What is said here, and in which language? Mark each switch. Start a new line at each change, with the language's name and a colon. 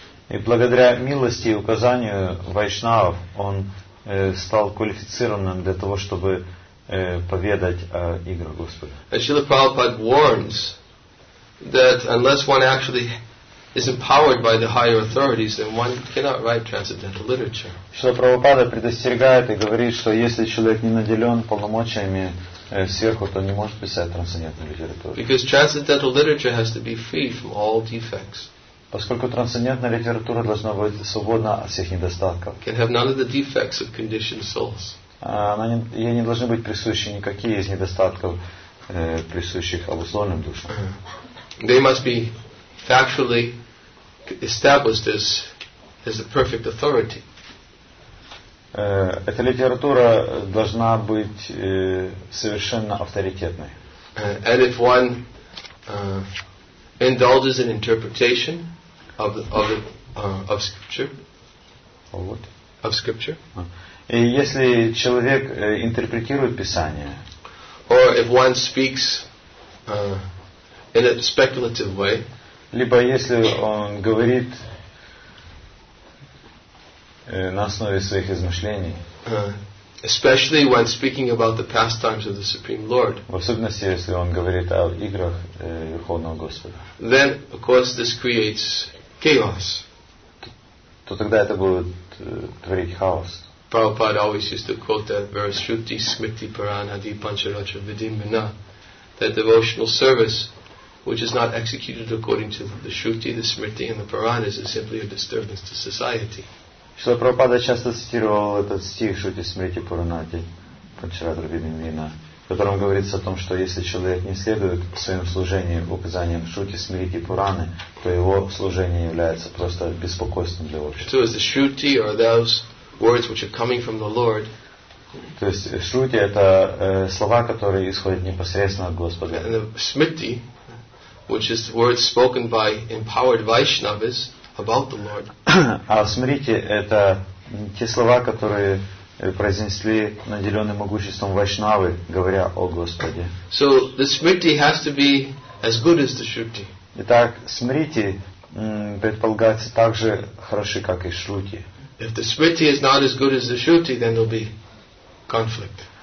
Russian: И благодаря милости и указанию вайшнавов он стал квалифицированным для того, чтобы поведать о играх Господа.
English: And Srila Prabhupada warns that unless one actually is empowered by the higher authorities, then one cannot write transcendental literature.
Russian: Шрила Прабхупада предостерегает и говорит, что если человек не наделен полномочиями сверху, то не может писать трансцендентную литературу.
English: Because transcendental literature has to be free from all defects.
Russian: Поскольку трансцендентная литература должна быть свободна от всех недостатков.
English: Can have none of the defects of conditioned souls.
Russian: Ей не должны быть присущи никакие из недостатков, присущих обусловленным душам.
English: They must be factually established as the perfect authority.
Russian: Эта литература должна быть совершенно авторитетной.
English: And if one indulges in interpretation of scripture.
Russian: И если человек интерпретирует Писание,
English: or if one speaks in a speculative way,
Russian: либо если он говорит на основе своих измышлений,
English: especially when speaking about the pastimes of the Supreme Lord,
Russian: в особенности если он говорит о играх Верховного Господа,
English: then of course this creates chaos.
Russian: То тогда это будет творить хаос.
English: Prabhupada always used to quote that verse, Shruti Smriti Paranadi Pancharacha Vidimana, that devotional service which is not executed according to the Shruti, the Smriti, and the Puranas is simply a disturbance to society.
Russian: Шрила Прабхупада часто цитировал этот стих Шрути Смрити Пуранати Панчарадра Видимина, в котором говорится о том, что если человек не следует в своем служении указаниям Шрути Смрити Пураны, то его служение является просто беспокойством для общества.
English: So is the Shruti or those words which are coming from the Lord.
Russian: То есть Шрути это слова, которые исходят непосредственно от Господа.
English: And the Smriti, which is words spoken by empowered Vaishnavas about the Lord.
Russian: А смотрите, это те слова, которые произнесли наделенные могуществом вайшнавы, говоря о Господе.
English: So the smriti has to be as good as the shruti.
Russian: Итак, смрити предполагается так же хороши, как и шрути.
English: If the smriti is not as good as the shruti, then there'll be conflict.